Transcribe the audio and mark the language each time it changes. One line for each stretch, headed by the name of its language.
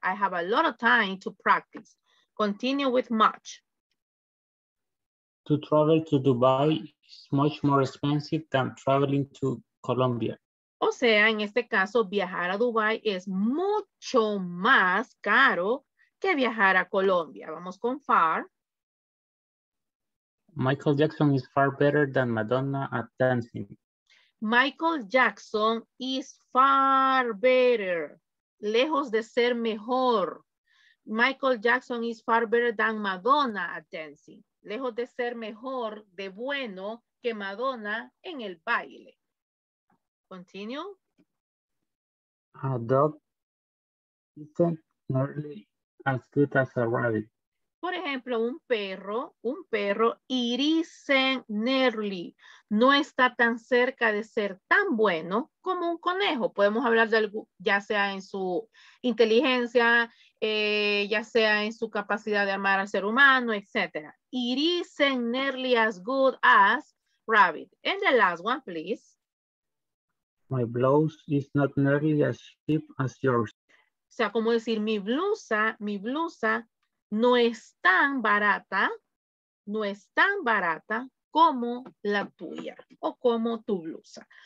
English: I have a lot of time to practice. Continue with much. To travel to Dubai is much more expensive than traveling to Colombia.
Spanish: O sea, en este caso, viajar a Dubai es mucho más caro que viajar a Colombia. Vamos con far.
English: Michael Jackson is far better than Madonna at dancing. Michael Jackson is far better.
Spanish: Lejos de ser mejor.
English: Michael Jackson is far better than Madonna at dancing.
Spanish: Lejos de ser mejor, de bueno, que Madonna en el baile.
English: Continue. A dog isn't nearly as good as a rabbit.
Spanish: Por ejemplo, un perro,
English: it isn't nearly,
Spanish: no está tan cerca de ser tan bueno como un conejo. Podemos hablar de algo, ya sea en su inteligencia, ya sea en su capacidad de amar al ser humano, etc.
English: It isn't nearly as good as rabbit. And the last one, please. My blouse is not nearly as cheap as yours.
Spanish: O sea, como decir, mi blusa, no es tan barata, no es tan barata como la tuya o como tu blusa.